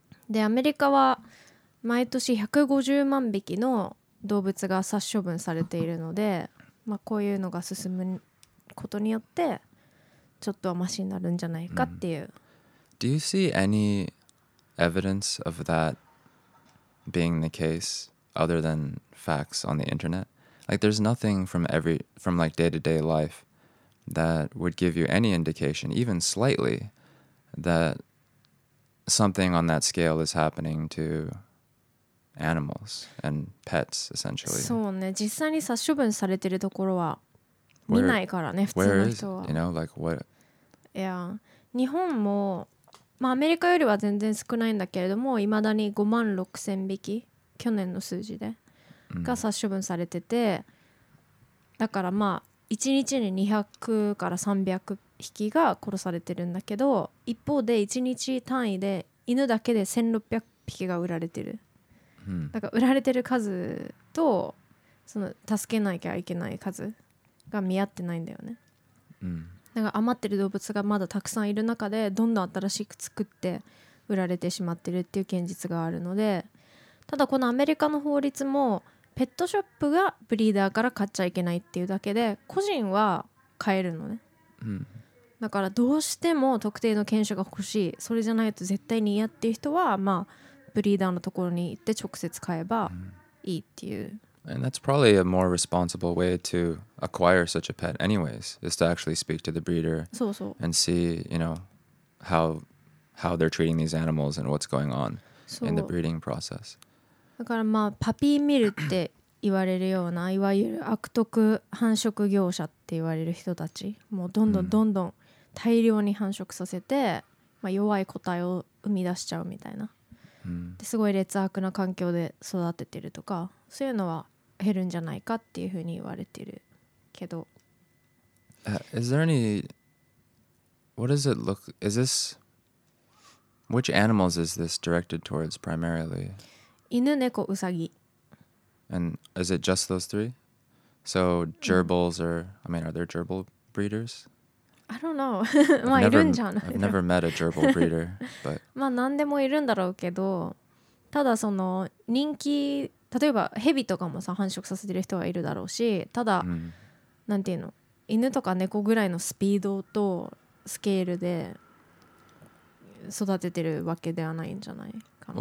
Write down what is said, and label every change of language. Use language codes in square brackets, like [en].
[ja] で、アメリカは毎年150万匹の動物が殺処分されているので、まあ、こういうのが進むことによってちょっとはマシになるんじゃないかっていう、 [en] Do you see any evidence of that being the case other than facts on the internet? Like there's nothing from like day-to-day life that would give you any indication, even slightly, that something on that scale is happening toanimals and pets, essentially. [ja] そうね、実際に殺処分されてるところは見ないからね、 [en] where, [ja] 普通の人は。 [en] You know, like what? Yeah. [ja] 日本も、まあ、アメリカよりは全然少ないんだけれども、いまだに5万6000匹、去年の数字で、が殺処分されてて、だからまあ、1日に200から300匹が殺されてるんだけど、一方で1日単位で犬だけで1600匹が売られてる。だから売られてる数とその助けなきゃいけない数が見合ってないんだよね、うん、だから余ってる動物がまだたくさんいる中でどんどん新しく作って売られてしまってるっていう現実があるので、ただこのアメリカの法律もペットショップがブリーダーから買っちゃいけないっていうだけで、個人は買えるのね、うん、だからどうしても特定の犬種が欲しい、それじゃないと絶対に嫌っていう人はまあブリーダーのところに行って直接買えばいいっていう。 [en] And that's probably a more responsible way to acquire such a pet anyways, is to actually speak to the breeder and see, you know, how they're treating these animals and what's going on in the breeding process. [ja] だからまあパピーミルって言われるような、いわゆる悪徳繁殖業者って言われる人たち、もうどんどんどんどん大量に繁殖させて、まあ、弱い個体を生み出しちゃうみたいな、すごい劣悪な環境で育ててるとか、そういうのは減るんじゃないかっていうふうに言われてるけど、 [en] Is there any What does it look Is this Which animals is this directed towards primarily? [ja] 犬、猫、ウサギ、 [en] And is it just those three? So gerbils are, I mean, are there gerbil breeders? I don't know. [ja] まあいるんじゃない。 [en] I've never met a gerbil breeder, but. [ja] まあ何でもいるんだろうけど、ただその人気、例えばヘビとかもさ繁殖させてる人はいるだろうし、ただ、mm. なんていうの、犬とか猫ぐらいのスピードとスケールで育ててるわけではないんじゃないかな。